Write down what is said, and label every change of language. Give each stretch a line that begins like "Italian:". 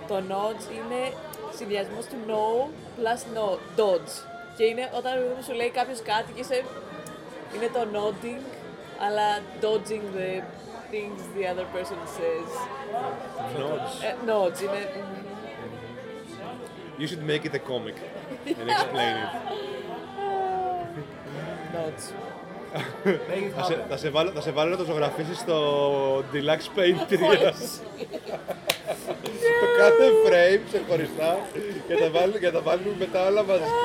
Greek: Το Nodge είναι συνδυασμός του No plus No, Dodge. Και είναι όταν σου λέει κάποιος κάτι και είναι το nodding, αλλά
English: dodging the things the other person says.
Greek: Nodge. Nodge είναι...
English: You should make it a comic and explain it.
Greek: Nodge. Θα σε βάλω να το ζωγραφίσεις στο Deluxe Paint 3. Το κάθε frame ξεχωριστά και θα βάλουμε μετά όλα μαζί.